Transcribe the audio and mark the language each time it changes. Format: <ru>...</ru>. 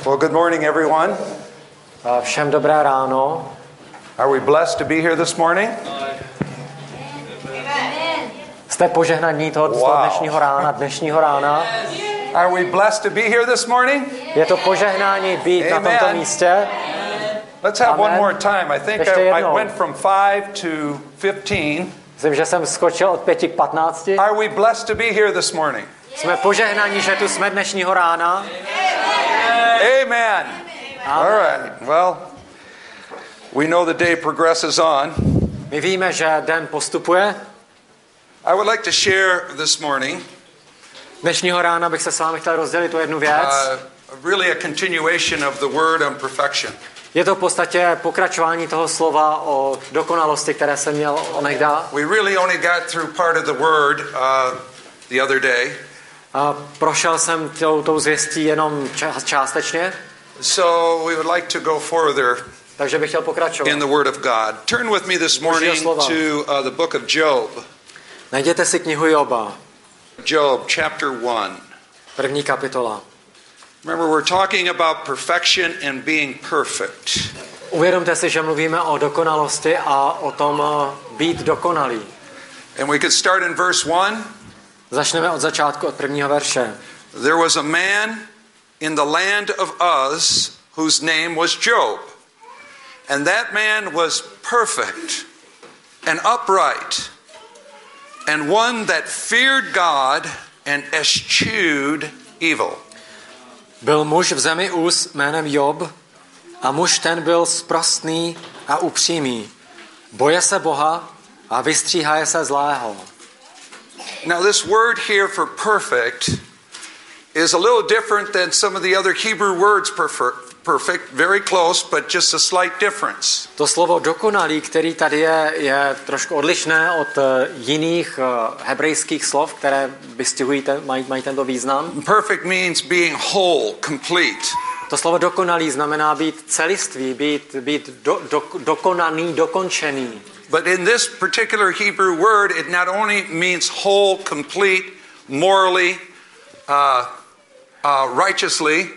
<en>Well, good morning, everyone.</en> <cs>Všem dobré ráno.</cs> <en>Are we blessed to be here this morning? Amen.</en> <cs>Jste požehnaní toho dnešního rána,</cs> <en>Yes. Are we blessed to be here this morning?</en> <cs>Je to požehnání být na tomto místě.</cs> <en>Let's have one more time. I think I went from 5 to 15.</en> <cs>Myslím, že jsem skočil od 5 k 15.</cs> <en>Are we blessed to be here this morning?</en> <cs>Jsme požehnáni, že tu jsme dnešního rána.</cs> <en>Amen. Amen. All right. Well, we know the day progresses on.</en> <cs>My víme, že den postupuje.</cs> <en>I would like to share this morning.</en> <cs>Dnešního rána bych se s vámi chtěl rozdělit o jednu věc.</cs> <en>Really a continuation of the word on perfection.</en> <cs>Je to v podstatě pokračování toho slova o dokonalosti, které jsem měl onehdy.</cs> <en>We really only got through part of the word the other day.</en> <cs>A prošel jsem tou zvěstí jenom částečně.</cs> <en>So we would like to go further.</en> <cs>Takže bych chtěl pokračovat.</cs> <en>In the word of God. Turn with me this morning to the book of Job.</en> <cs>Najděte si knihu Joba.</cs> <en>Job chapter 1.</en> <cs>První kapitola.</cs> <en>Remember, we're talking about perfection and being perfect.</en> <cs>Uvědomte si, že mluvíme o dokonalosti a o tom být dokonalý.</cs> <en>And we could start in verse 1.</en> <cs>Začneme od začátku, od prvního verše.</cs> <en>There was a man in the land of Uz whose name was Job. And that man was perfect and upright and one that feared God and eschewed evil.</en> <cs>Byl muž v zemi Uz jménem Job a muž ten byl sprostný a upřímý. Boje se Boha a vystříhaje se zlého.</cs> <en>Now this word here for perfect is a little different than some of the other Hebrew words perfect, very close, but just a slight difference.</en> <cs>To slovo dokonalý, který tady je trošku odlišné od jiných hebrejských slov, které vystihujete, mají tento význam.</cs> <en>Perfect means being whole, complete.</en> <cs>To slovo dokonalý znamená být celistvý, být dokonaný, dokončený.</cs> <en>But in this particular Hebrew word, it not only means whole, complete, morally, righteously.</en>